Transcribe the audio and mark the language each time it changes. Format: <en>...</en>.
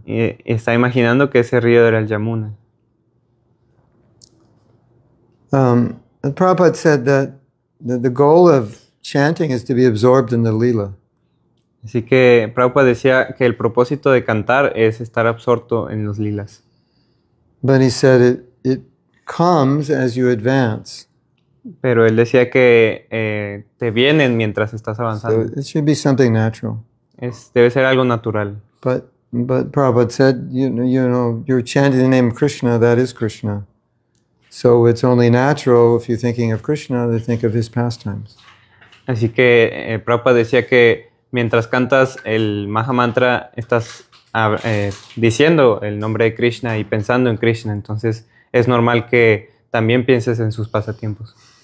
<es>Y está imaginando que ese río era el Yamuna.</es> <en>Prabhupada said that the goal of chanting is to be absorbed in the lila.</en> <es>Así que Prabhupada decía que el propósito de cantar es estar absorto en los lilas.</es> <en>But he said it comes as you advance.</en> <es>Pero él decía que te vienen mientras estás avanzando.</es> <en>So it should be something natural.</en> <es>Debe ser algo natural.</es> <en>But Prabhupada said, you know, you're chanting the name of Krishna, that is Krishna. So it's only natural if you're thinking of Krishna to think of his pastimes.</en> <es>Así que Prabhupada decía que mientras cantas el Maha Mantra estás diciendo el nombre de Krishna y pensando en Krishna, entonces es normal que también pienses en sus pasatiempos.</es>